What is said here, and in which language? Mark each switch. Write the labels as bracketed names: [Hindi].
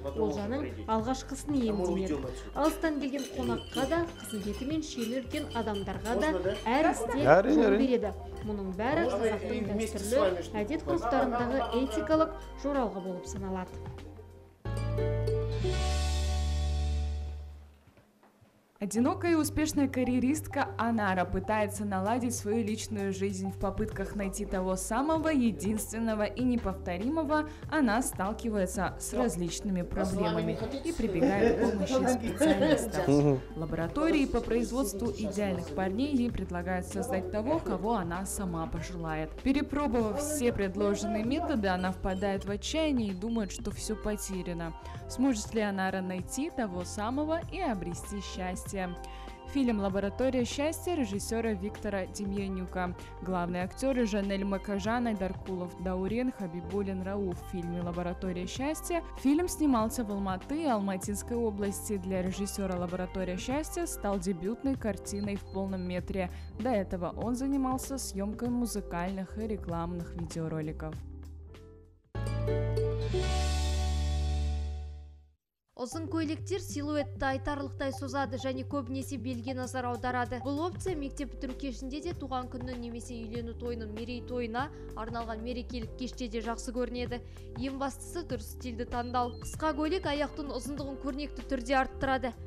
[Kazakh] Олжаның алғашқысын емдейді. Алыстан келген қонаққа да, қызметі мен шені үлкен адамдарға да әр істе жол береді. Мұның бәрі қазақтың дәстүрлі әдет-ғұрыптарындағы этикалық жоралғы болып саналады. [Russian] Одинокая и успешная карьеристка Анара пытается наладить свою личную жизнь в попытках найти того самого единственного и неповторимого. Она сталкивается с различными проблемами и прибегает к помощи специалиста. Лаборатории по производству идеальных парней ей предлагают создать того, кого она сама пожелает. Перепробовав все предложенные методы, она впадает в отчаяние и думает, что все потеряно. Сможет ли Анара найти того самого и обрести счастье? Фильм «Лаборатория счастья» режиссера Виктора Демьянюка. Главные актеры Жанель Макажан, Айдар Кулов, Даурен, Хабибулин, Рауф в фильме «Лаборатория счастья». Фильм снимался в Алматы и Алматинской области. Для режиссера «Лаборатория счастья» стал дебютной картиной в полном метре. До этого он занимался съемкой музыкальных и рекламных видеороликов. [Kazakh] Озын көйлектер силуэтті айтарлықтай созады және көбінесе белге назар аударады. Бұл опция мектеп бітіру кешінде де туған күннің немесе үйлену тойының мерей тойына арналған мерекелік кеште де жақсы көрінеді. Ең бастысы дұрыс стилді таңдау. Қысқа көйлек аяқтың ұзындығын көрнекті түрде арттырады.